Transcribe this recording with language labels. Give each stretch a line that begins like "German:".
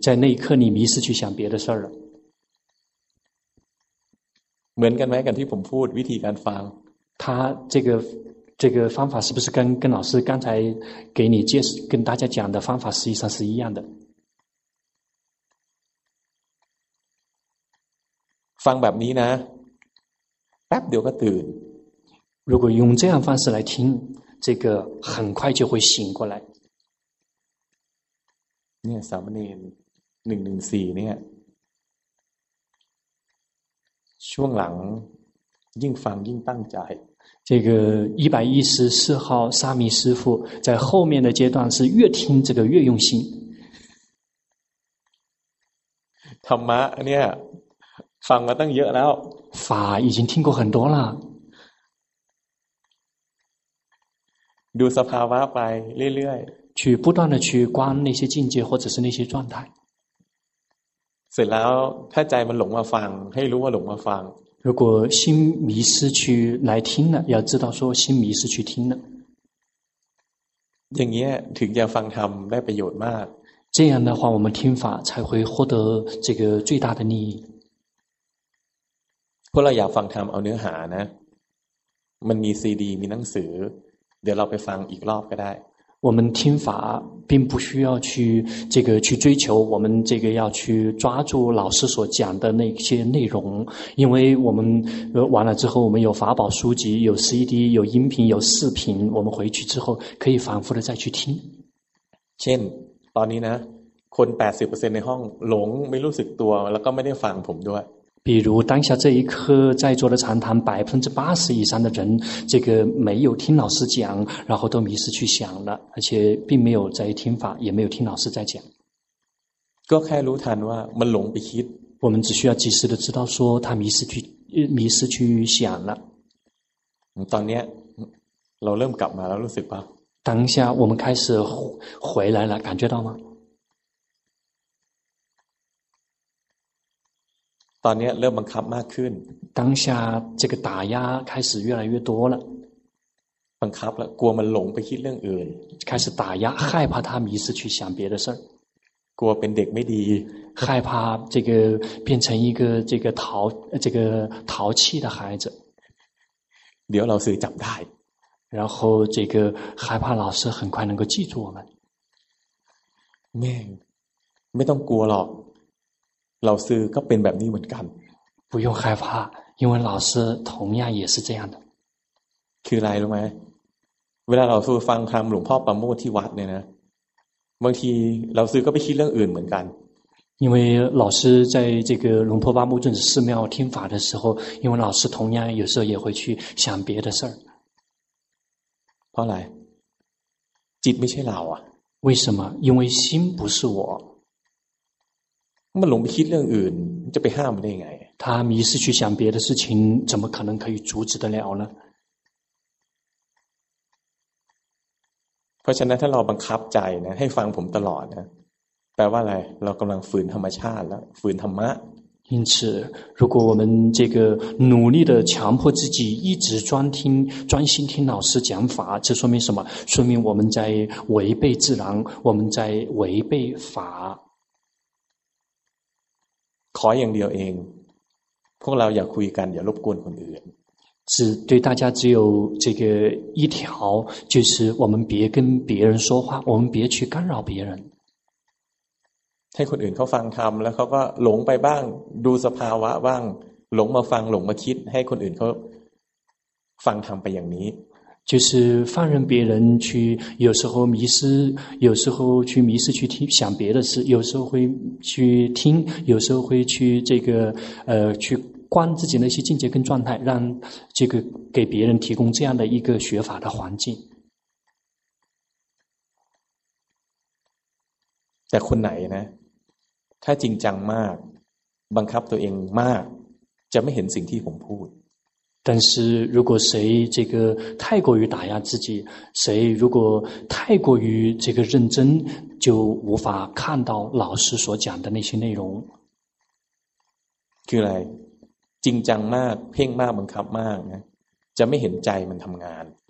Chinese: 在那一刻你迷失去想别的事了
Thai: เหมือนกันไหมกันที่ผมพูดวิธีการฟัง
Chinese: 他这个方法是不是跟老师刚才给你介绍跟大家讲的方法实际上是一样的
Thai: ฟังแบบนี้นะแป๊บเดียวก็ตื่น
Chinese: 如果用这样方式来听这个很快就会醒过来
Thai: เนี่ยสามเณร114เนี่ยช่วงหลังยิ่งฟังยิ่งตั้งใจ
Chinese: 这个114号沙弥师父在后面的阶段是越听这个越用心
Thai: ธรรมะเนี่ยฟังมาตั้งเยอะแล้ว
Chinese: 法已经听过很多了
Thai: ดูสภาวะไปเรื่อย
Chinese: ๆ去不断的去观那些境界或者是那些状态
Thai: เสร็จแล้วถ้าใจมันหลงมาฟังให้รู้ว่าหลงมาฟัง
Chinese: 如果心迷失去来听了要知道说心迷失去听了
Thai: อย่างเงี้ยถึงจะฟังธรรมได้ประโยชน์มาก
Chinese: 这样的话我们听法才会获得这个最大的利益
Thai: พวกเราอยากฟังธรรมเอาเนื้อหานะมันมีซีดีมีหนังสือ เดี๋ยวเราไปฟังอีกรอบก็ได้
Chinese: 我们听法并不需要去这个去追求我们这个要去抓住老师所讲的那些内容因为我们完了之后我们有法宝书籍有 CD 有音频有视频我们回去之后可以反复的再去听
Thai: เช่นตอนนี้นะคน 80% ในห้องหลงไม่รู้สึกตัวแล้วก็ไม่ได้ฟังผมด้วย
Chinese: 比如当下这一刻在座的禅堂 80% 以上的人这个没有听老师讲然后都迷失去想了而且并没有在听法也没有听老师在讲
Thai: ก็แค่รู้ทันว่ามันหลงไปคิด
Chinese: 我们只需要及时的知道说他迷失去想了
Thai: ตอนนี้เราเริ่มกลับมาแล้วรู้สึกป่ะ
Chinese: 当下我们开始回来了感觉到吗
Thai: ตอนนี้เริ่มบังคับมากขึ้น
Chinese: 当下这个打压开始越来越多了
Thai: บังคับแล้วกลัวมันหลงไปคิดเรื่องอื่น
Chinese: 开始打压害怕他迷失去想别的事
Thai: กลัวเป็นเด็กไม่ดี
Chinese: 害怕这个变成一个这个淘气的孩子
Thai: เดี๋ยวเราสื่อจับได้
Chinese: 然后这个害怕老师很快能够记住我们
Thai: แม่ไม่ต้องกลัวหรอกเราซื้อก็เป็นแบบนี้เหมือนกัน
Chinese: 不用害怕因为老师同样也是这样的
Thai: คืออะไรรู้ไหมเวลาเราซื้อฟังคำหลวงพ่อประโมทที่วัดเนี่ยนะบางทีเราซื้อก็ไปคิดเรื่องอื่นเหมือนกัน
Chinese: 因为老师在这个龙坡八木镇寺庙听法的时候因为老师同样有时候也会去想别的事
Thai: เพราะอะไรจิตไม่ใช่เราอ่ะ
Chinese: 为什么因为心不是我
Thai: มันหลงไปคิดเรื่องอื่นจะไปห้ามมันได้ยังไง
Chinese: 他迷失去想别的事情怎么可能可以阻止得了呢
Thai: เพราะฉะนั้นถ้าเราบังคับใจนะให้ฟังผมตลอดนะแปลว่าอะไรเรากำลังฝืนธรรมชาติแล้วฝืนธรรมะ
Chinese: 因此如果我们这个努力的强迫自己一直专心听老师讲法这说明什么说明我们在违背自然我们在违背法
Thai: ขออย่างเดียวเองพวกเราอย่าคุยกันอย่ารบกวนคนอื่น
Chinese: 只对大家只有这个一条就是我们别跟别人说话我们别去干扰别人
Thai: ให้คนอื่นเขาฟังธรรมแล้วเขาก็หลงไปบ้างดูสภาวะบ้างหลงมาฟังหลงมาคิดให้คนอื่นเขาฟังธรรมไปอย่างนี้
Chinese: 就是放任别人去有时候迷失有时候去迷失去听想别的事有时候会去听有时候会去这个去观自己那些境界跟状态让这个给别人提供这样的一个学法的环境
Thai: แต่คนไหนนะถ้าจริงจังมากบังคับตัวเองมากจะไม่เห็นสิ่งที่ผมพูด
Chinese: 但是如果谁这个太过于打压自己谁如果太过于这个认真就无法看到老师所讲的那些内容
Thai: คืออะไรจริงจังมากเพ่งมากบังคับมากนะจะไม่เห็นใจมันทำงาน